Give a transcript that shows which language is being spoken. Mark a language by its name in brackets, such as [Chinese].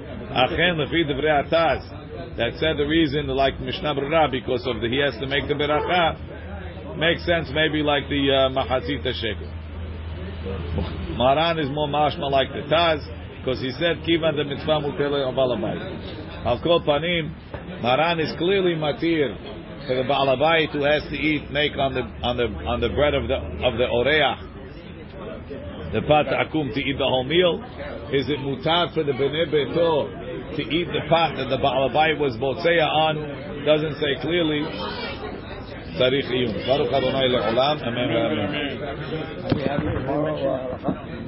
[Hebrew] אכן לפי דברי התז [English] that said the reason like משנה ברורה because of the he has to make the ברכה makes sense maybe like the מחצית השקל מרן is more משמע like the תז because he said [Hebrew] כיוון דמצווה מוטלה בעל הבית על כל פנים, [English] Maran is clearly matir for the Baal HaBayit who has to eat make on the bread of the Oreach. The pat akum to eat the whole meal. Is it mutar for the Bnei Beto to eat the pat that the Baal HaBayit was boseya on? Doesn't say clearly. [Hebrew] צריך עיון. ברוך אדוני לעולם, אמן ואמן.